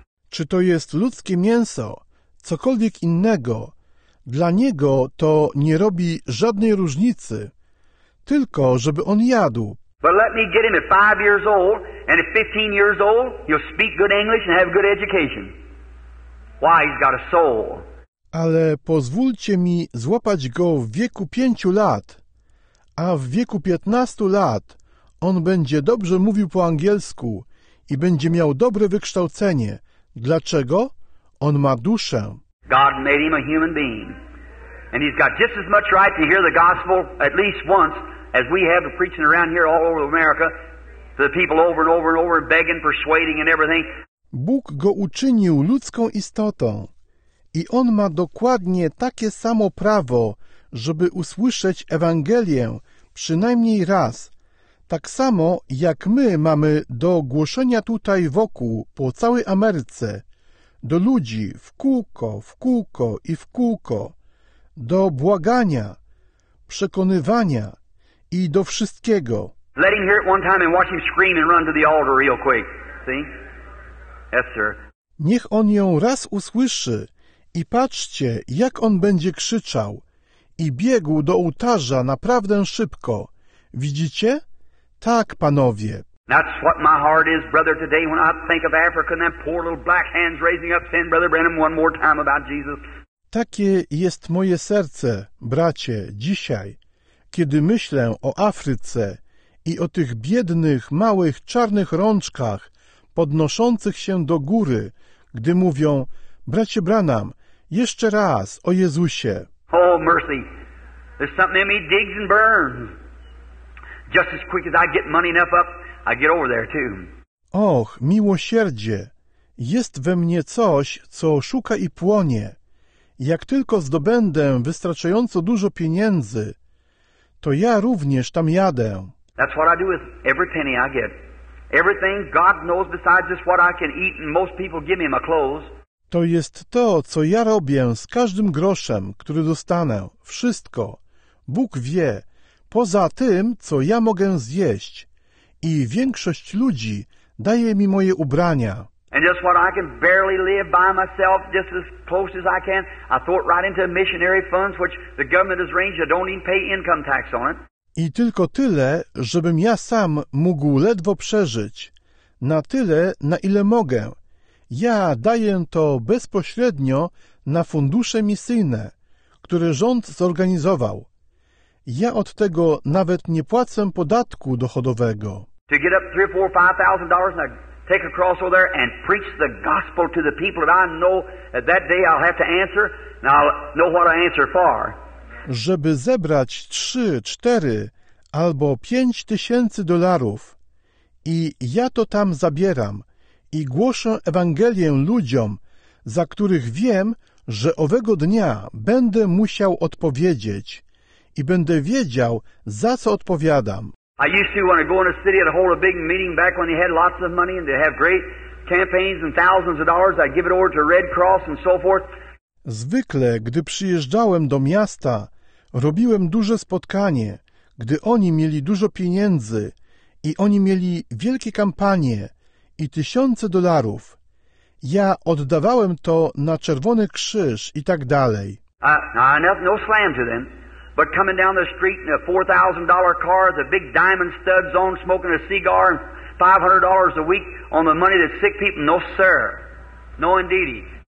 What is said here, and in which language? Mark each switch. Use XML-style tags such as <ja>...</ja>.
<pl>Czy to jest ludzkie mięso, cokolwiek innego, dla niego to nie robi żadnej różnicy, tylko żeby on jadł.</pl> <en>But let me get him at 5 years old, and at 15 years old, he'll speak good English and have good education. Why, he's got a soul.</en> <pl>Ale pozwólcie mi złapać go w wieku 5 lat, a w wieku 15 lat on będzie dobrze mówił po angielsku i będzie miał dobre wykształcenie. Dlaczego? On ma duszę.</pl> <en>God made him a human being, and he's got just as much right to hear the gospel at least once as we have preaching around here all over America to the people over and over and over, begging, persuading and everything.</en> <pl>Bóg go uczynił ludzką istotą i on ma dokładnie takie samo prawo, żeby usłyszeć Ewangelię przynajmniej raz, tak samo jak my mamy do głoszenia tutaj wokół po całej Ameryce, do ludzi w kółko i w kółko, do błagania, przekonywania i do wszystkiego.</pl> <en>Let him hear it one time and watch him scream and run to the altar real quick. See? Yes, sir.</en> <pl>Niech on ją raz usłyszy i patrzcie, jak on będzie krzyczał i biegł do ołtarza naprawdę szybko. Widzicie? Tak, panowie.</pl> <en>That's what my heart is, brother, today when I think of Africa and that poor little black hands raising up saying, Brother Branham, one more time about Jesus.</en> <pl>Takie jest moje serce, bracie, dzisiaj, kiedy myślę o Afryce i o tych biednych, małych, czarnych rączkach podnoszących się do góry, gdy mówią, bracie Branham, jeszcze raz o Jezusie.</pl> <en>Oh, mercy. There's something in me digs and burns. Just as quick as I get money enough up, I get over there too.</en> <pl>Och, miłosierdzie, jest we mnie coś, co szuka i płonie. Jak tylko zdobędę wystarczająco dużo pieniędzy, to ja również tam jadę.</pl> <en>That's what I do with every penny I get. Everything God knows besides just what I can eat and most people give me my clothes.</en> <pl>To jest to, co ja robię z każdym groszem, który dostanę. Wszystko. Bóg wie. Poza tym, co ja mogę zjeść. I większość ludzi daje mi moje ubrania.</pl> <en>And just what I can barely live by myself, just as close as I can, I throw it right into missionary funds, which the government has arranged. I don't even pay income tax on it.</en> <pl>I tylko tyle, żebym ja sam mógł ledwo przeżyć. Na tyle, na ile mogę. Ja daję to bezpośrednio na fundusze misyjne, które rząd zorganizował. Ja od tego nawet nie płacę podatku dochodowego.</pl> <en>To get up $3,000-$5,000 and take a cross over there and preach the gospel to the people that I know that day I'll have to answer and I'll know what I answer for.</en> <pl>Żeby zebrać 3, 4 albo 5 tysięcy dolarów i ja to tam zabieram i głoszę Ewangelię ludziom, za których wiem, że owego dnia będę musiał odpowiedzieć i będę wiedział, za co odpowiadam.</pl> <en>I used to want to go in a city and hold a big meeting back when they had lots of money and they have great campaigns and thousands of dollars. I'd give it over to Red Cross and so forth.</en> <pl>Zwykle, gdy przyjeżdżałem do miasta, robiłem duże spotkanie, gdy oni mieli dużo pieniędzy i oni mieli wielkie kampanie i tysiące dolarów. Ja oddawałem to na Czerwony Krzyż i tak dalej.</pl> <en>No slam to them, but coming down the street in a $4,000 car, the big diamond studs on, smoking a cigar, and $500 a week on the money that sick people, no sir, no indeedy.</en>